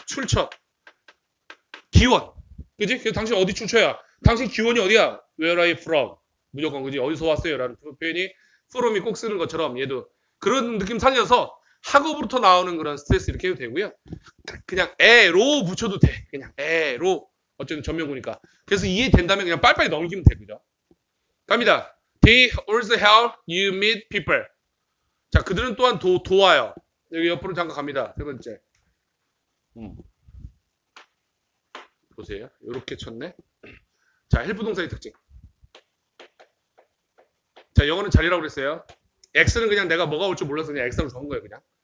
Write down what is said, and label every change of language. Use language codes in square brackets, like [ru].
[ko] 출처. 기원. 그지? 당신 어디 출처야? 당신 기원이 어디야? [en] Where are you from? [ko] 무조건 그지? 어디서 왔어요? 라는 표현이 from이 꼭 쓰는 것처럼 얘도 그런 느낌 살려서 학업으로부터 나오는 그런 스트레스 이렇게 해도 되고요. 그냥 에로 붙여도 돼. 그냥 에로. 어쨌든 전명구니까. 그래서 이해된다면 그냥 빨리빨리 넘기면 되고요. 갑니다. [en] They also help you meet people. [ko] 자, 그들은 또한 도와요. 여기 옆으로 잠깐 갑니다. 세 번째. 보세요. 요렇게 쳤네. 자, 헬프 동사의 특징. 자, 영어는 자리라고 그랬어요. X는 그냥 내가 뭐가 올 줄 몰라서 그냥 X라고 적은 거예요, 그냥.